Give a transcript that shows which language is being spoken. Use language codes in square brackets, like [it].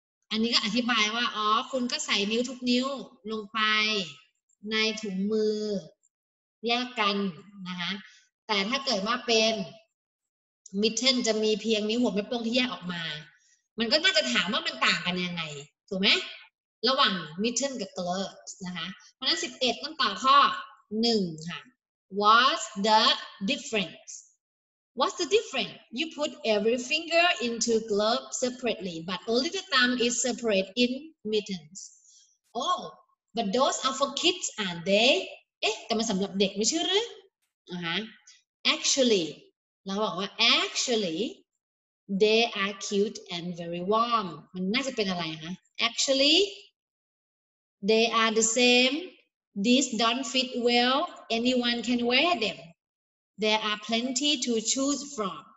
[th] อันนี้ก็อธิบายว่าอ๋อคุณก็ใส่นิ้วทุกนิ้วลงไปในถุงมือแยกกันนะคะแต่ถ้าเกิดว่าเป็นมิทเทนจะมีเพียงนิ้วหัวแม่โป้งที่แยกออกมามันก็น่าจะถามว่ามันต่างกันยังไงถูกไหมระหว่างมิทเทนกับเกลอร์นะคะเพราะนั้น11ต้องตอบข้อ1ค่ะ [en] What's the difference? What's the difference? You put every finger into glove separately but only the thumb is separate in mittens. Oh, but those are for kids, aren't they? [th] เอ๊ะแต่มันสำหรับเด็กไม่ใช่หรือนะคะ [en] Actually, [th] เราบอกว่า [en] actually they are cute and very warm. [th] มันน่าจะเป็นอะไรคะ [en] Actually, they are the same. These don't fit well. Anyone can wear them. There are plenty to choose from.